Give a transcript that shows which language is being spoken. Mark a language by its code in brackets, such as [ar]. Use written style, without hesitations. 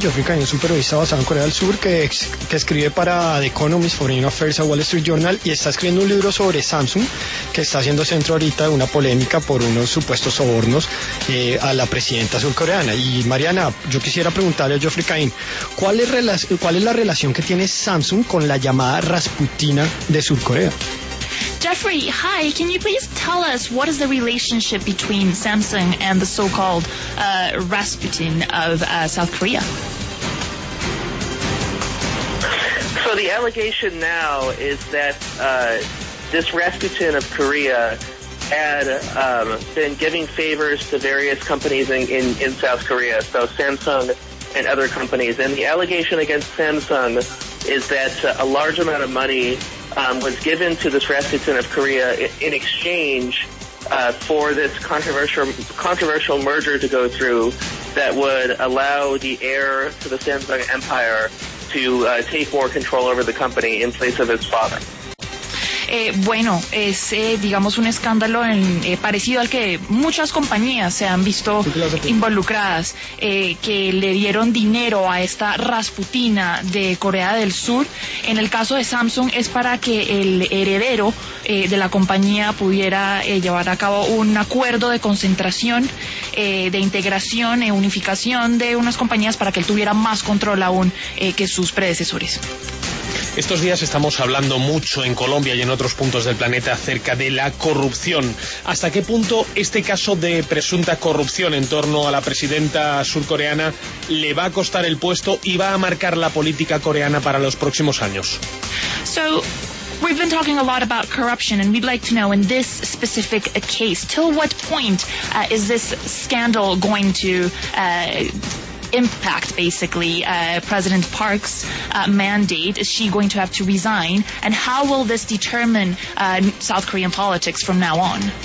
[es] Geoffrey Cain es un supervisor basado en Corea del Sur que escribe para The Economist, Foreign Affairs, Wall Street Journal, y está escribiendo un libro sobre Samsung, que está haciendo centro ahorita de una polémica por unos supuestos sobornos a la presidenta surcoreana. Y Mariana, yo quisiera preguntarle a Geoffrey Cain, ¿cuál es la relación que tiene Samsung con la llamada Rasputina de Surcorea? [en] Geoffrey, hi, can you please tell us what is the relationship between Samsung and the so-called Rasputin of South Korea? So the allegation now is that this Rasputin of Korea had been giving favors to various companies in South Korea, so Samsung and other companies. And the allegation against Samsung is that a large amount of money was given to this Rasputin of Korea in exchange for this controversial merger to go through that would allow the heir to the Samsung empire to take more control over the company in place of his father. [es] Bueno, es digamos un escándalo parecido al que muchas compañías se han visto involucradas, que le dieron dinero a esta Rasputina de Corea del Sur. En el caso de Samsung es para que el heredero de la compañía pudiera llevar a cabo un acuerdo de concentración, de integración, unificación de unas compañías para que él tuviera más control aún que sus predecesores. Estos días estamos hablando mucho en Colombia y en otros puntos del planeta acerca de la corrupción. ¿Hasta qué punto este caso de presunta corrupción en torno a la presidenta surcoreana le va a costar el puesto y va a marcar la política coreana para los próximos años? [en] So, we've been talking a lot about corruption, and we'd like to know in this specific case, till what point is this scandal going to impact basically President Park's mandate? Is she going to have to resign, and how will this determine South Korean politics from now on?